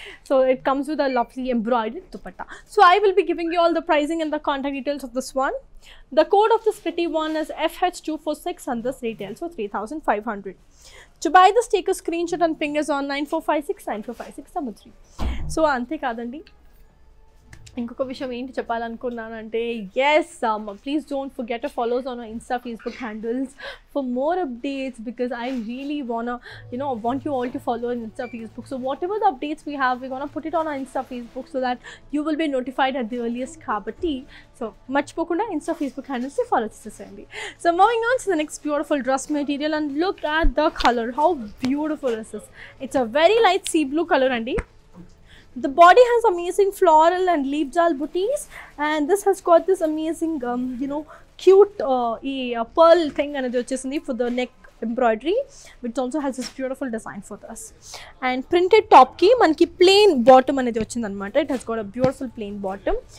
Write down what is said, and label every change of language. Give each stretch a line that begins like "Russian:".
English: So it comes with a lovely embroidered dupatta. So I will be giving you all the pricing and the contact details of this one. The code of this pretty one is FH246 and this retails for 3500. To buy this, take a screenshot and ping us on 9456-9456-73. So
Telugu: ante kadandi ఇంకొక విషయం ఏంటి చెప్పాలనుకున్నానంటే,
English: Yes please don't forget a follows on Insta Facebook handles for more updates because I really want you know want you all to follow Insta Facebook. So whatever the updates we have we want put it on Insta Facebook so that you will be notified at the earliest.
Telugu: కాబట్టి so మర్చిపోకుండా Insta Facebook హ్యాండిల్స్ని follow చేసేసేయండి.
English: So moving on to the next beautiful dress material and look at the colour, how beautiful is this. It's a very light sea blue colour అండి. The body has amazing floral and leaf jal booties and this has got this amazing you know, cute pearl thing
Telugu: anadi vachesindi
English: for the neck embroidery, which also has this beautiful design for this. And printed top
Telugu: ki manki
English: plain bottom
Telugu: anadi vachind anamata,
English: it has got a beautiful plain bottom.